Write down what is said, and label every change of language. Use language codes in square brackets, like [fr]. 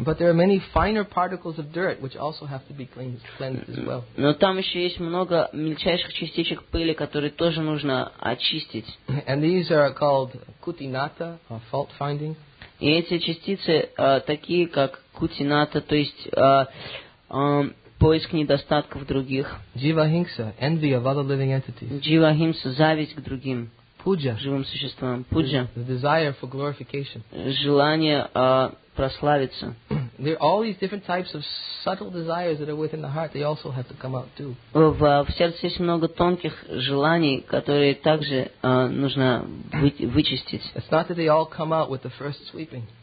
[en] But there are many finer particles of dirt which also have to be cleansed as well. [ru] Но там еще есть много мельчайших частичек пыли, которые тоже нужно очистить. [en] And these are called kutinata, or fault finding. [ru] И эти частицы такие как кутината, то есть поиск недостатков других. [en] Jivahimsa, envy of other living entities. [ru] Jivahimsa, зависть к другим. Пуджа, живым существам. Пуджа, [en] the desire for glorification. [ru] Желание прославиться. [en] There are all these different types of subtle desires that are within the heart. They also have to come out too. [ru] В сердце есть много тонких желаний, которые также нужно вычистить. [en] It's not that they all come out with the first sweeping.